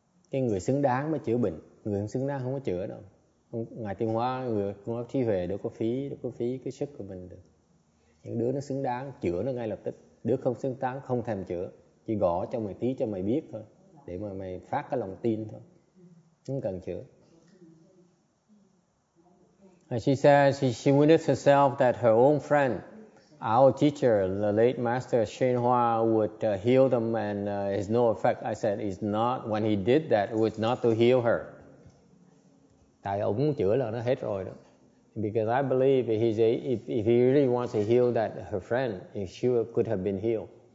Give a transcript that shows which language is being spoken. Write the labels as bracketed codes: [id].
[vi] Cái người xứng đáng mới chữa bệnh, người không xứng đáng không có chữa đâu. Ngài Tiên Hóa, người không có trí huệ đâu có phí cái sức của mình được. Những đứa nó xứng đáng, chữa nó ngay lập tức. Đứa không xứng đáng, không thèm chữa. Chỉ gõ cho mày tí cho mày biết thôi, để mà mày phát cái lòng tin thôi, không cần chữa. [en] And she said she witnessed herself that her own friend, our teacher, the late master Shen Hua, would heal them and has no effect. I said, it's not, when he did that, it was not to heal her. [vi] Tại ông chữa là nó hết rồi đó. [en] Because I believe if he really wants to heal that her friend, she could have been healed.